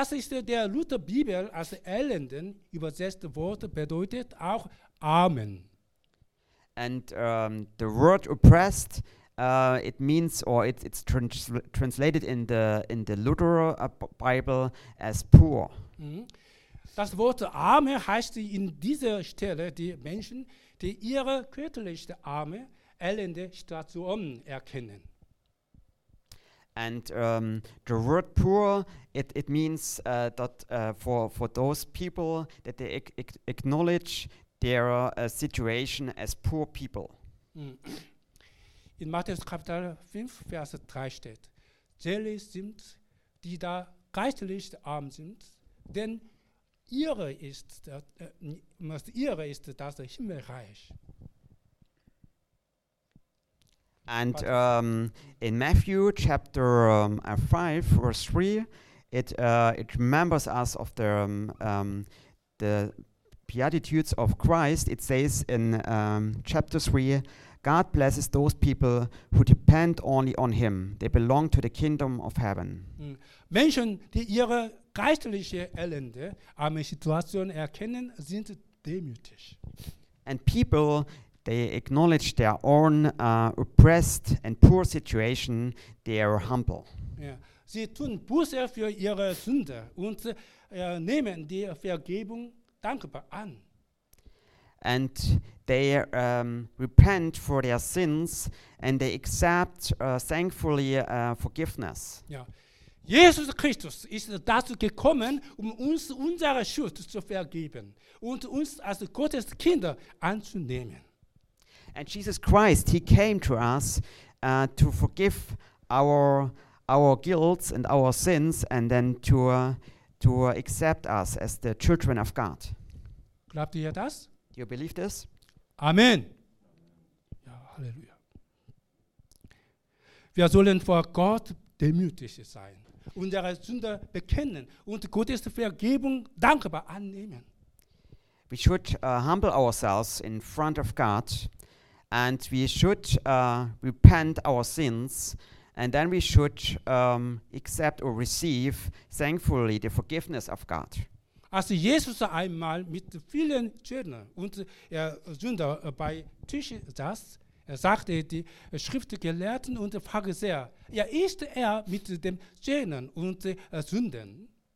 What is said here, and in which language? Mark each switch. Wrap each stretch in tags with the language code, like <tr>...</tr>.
<de>Der Luther-Bibel als Elenden übersetzte Wort bedeutet auch Armen.</de> <en>And the word oppressed, it means, or it's translated in the Luther Bible as poor. Mm-hmm.</en> <de>Das Wort Arme heißt in dieser Stelle die Menschen, die ihre körperliche Arme, elende Situation erkennen.</de> <en>And the word poor, it means that for those people that they acknowledge their situation as poor people.</en> <de>In Matthäus Kapitel 5, Vers 3 steht, selig sind, die da geistlich arm sind, denn ihre ist das Himmelreich.</de> <en>And in Matthew chapter 5 verse 3, it remembers us of the beatitudes of Christ. It says in chapter 3, God blesses those people who depend only on Him. They belong to the kingdom of heaven.</en> <de>Menschen, die ihre geistliche Elende, arme Situation erkennen, sind demütig.</de> <en>And people, they acknowledge their own oppressed and poor situation, they are humble.</en> <de>Ja. Sie tun Buße für ihre Sünde und nehmen die Vergebung dankbar an.</de> <en>And they repent for their sins and they accept thankfully forgiveness.</en> <de>Ja. Jesus Christus ist dazu gekommen, um uns unsere Schuld zu vergeben und uns als Gottes Kinder anzunehmen.</de> <en>And Jesus Christ, he came to us to forgive our guilt and our sins and then to accept us as the children of God.</en> <de>Glaubt ihr das?</de> <en>You believe this?</en> <de>Amen. Ja, Halleluja. Wir sollen vor Gott demütig sein, unsere Sünde bekennen und Gottes Vergebung dankbar annehmen.</de> <en>We should humble ourselves in front of God. And we should repent our sins, and then we should accept or receive thankfully the forgiveness of God.</en> <de>Als Jesus einmal mit vielen Zöllnern und Sünder bei Tisch saß, sagte die Schriftgelehrten und Pharisäer, ja, ist er mit den Zöllnern und Sünden?</de>